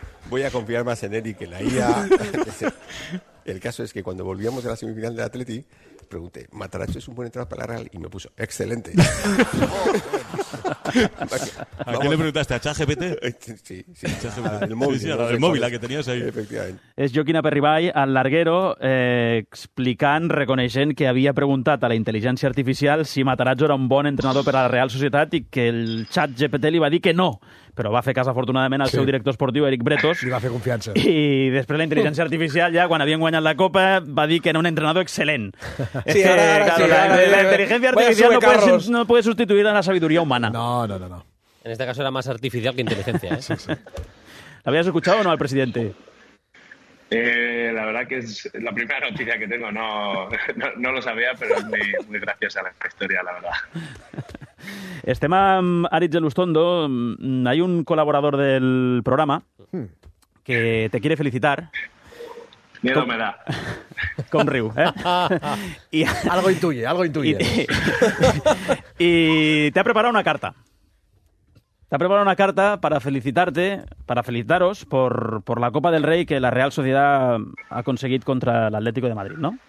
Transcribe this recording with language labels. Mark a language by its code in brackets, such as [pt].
[es] Voy a confiar más en Eric que en la IA. El caso es que cuando volvíamos a la semifinal del Atleti, pregunté, ¿Matarazzo es un buen entrado para la Real? Y me puso, excelente. ¿A quién le preguntaste? ¿A ChatGPT? Sí, a ChatGPT. El móvil. Sí, el móvil, la que tenías ahí. Efectivamente. [ca] Es Joaquín Aperribay, al larguero, explicant, reconeixent que havia preguntat a la intel·ligència artificial si Matarazzo era un bon entrenador per a la Real Societat i que el ChatGPT li va dir que no. però va fer cas afortunadament al seu director esportiu, Eric Bretos. Li va fer confiança. I després la intel·ligència artificial, ja quan havien guanyat la Copa, va dir que era un entrenador excel·lent. Sí, ara, ara, sí, ara, la, la intel·ligència artificial [es] no puede, no puede sustituir a la sabiduría humana. No, no, no, no. En este caso era más artificial que inteligencia, ¿eh? Sí, sí. ¿L'habías escuchado o no al presidente? La verdad que es la primera noticia que tengo. No, no, no lo sabía, pero es muy, muy graciosa la historia, la verdad. [ca] Estem amb Aritz Elustondo. [es] Hay un colaborador del programa que te quiere felicitar. Miedo [ca] com, [es] me da. [ca] Com riu, [es] eh? Algo intuye, algo intuye. Y te ha preparado una carta. Te ha preparado una carta para felicitarte, para felicitaros por la Copa del Rey que la Real Sociedad ha conseguido contra el Atlético de Madrid, ¿no?